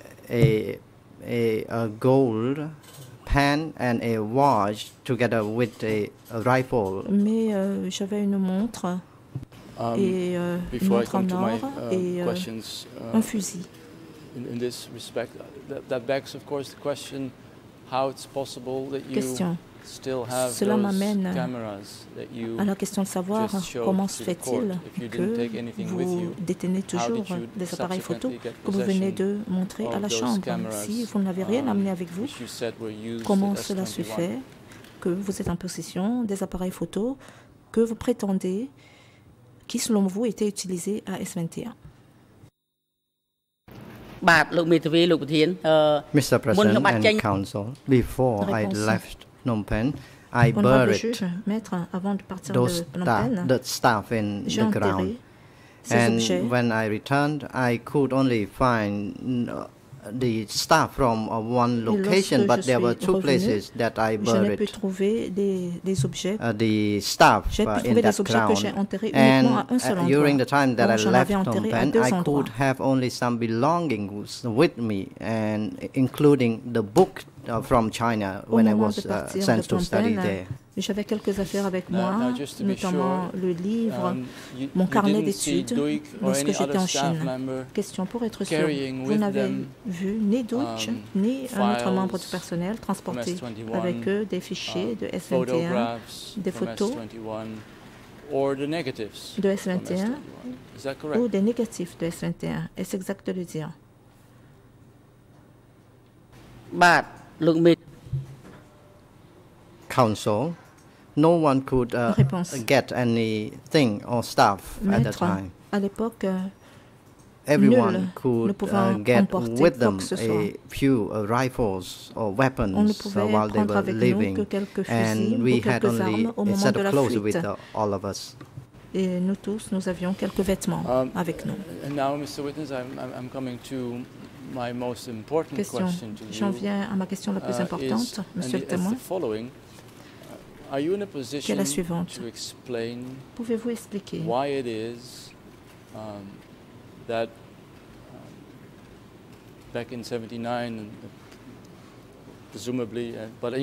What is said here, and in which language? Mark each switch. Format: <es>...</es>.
<en>A gold pen and a watch together with a rifle.</en> <fr>Mais j'avais une montre et un fusil.</fr> <en>In this respect, that begs, of course, the question: how it's possible that you question. Still have</en> <fr>cela</fr> <en>those cameras that you</en> <fr>à la question de savoir comment se fait-il que vous détenez toujours des appareils photo que vous venez de montrer à la Chambre. Si vous n'avez rien amené avec vous, comment cela se fait que vous êtes en possession des appareils photo que vous prétendez qui, selon vous, étaient utilisés à S21?</fr> <en>Mr. President and Council, before I left Phnom Penh, I buried the stuff in the ground. And when I returned, I could only find the staff from one location, but there were two places that I buried.</en> <fr>Je n'ai pu trouver des objets.</fr> <en>The staff in that ground.</en> <fr>J'ai pu trouver des objets que j'ai enterrés uniquement à un seul endroit.</fr> <en>During the time that I left Phnom Penh, I could have only some belongings with me, and including the book from China when I was sent to study there.</en> <fr>J'avais quelques affaires avec moi, notamment le livre, mon carnet d'études, lorsque j'étais en Chine. Question, pour être sûr, vous n'avez vu ni Deutsch, ni un autre membre du personnel transporter avec eux des fichiers de S21, des photos de S21 ou des négatifs de S21. Est-ce exact de le dire?</fr> <en>Council. No one could get anything or stuff at that time.</en> <fr>À l'époque,</fr> <en>everyone could get with them a few rifles or weapons while they were leaving. And we had only a set of clothes with all of us.</en> <fr>Et nous tous, nous avions quelques vêtements avec nous.</fr> <en>And now, Mr. Witness, I'm coming to my most important question to you.</en> <fr>J'en viens à ma question la plus importante, Monsieur le témoin.</fr> <en>Are you in a position to explain</en> <fr>pouvez-vous expliquer</fr> <en>why it is that back in 79, presumably, but</en>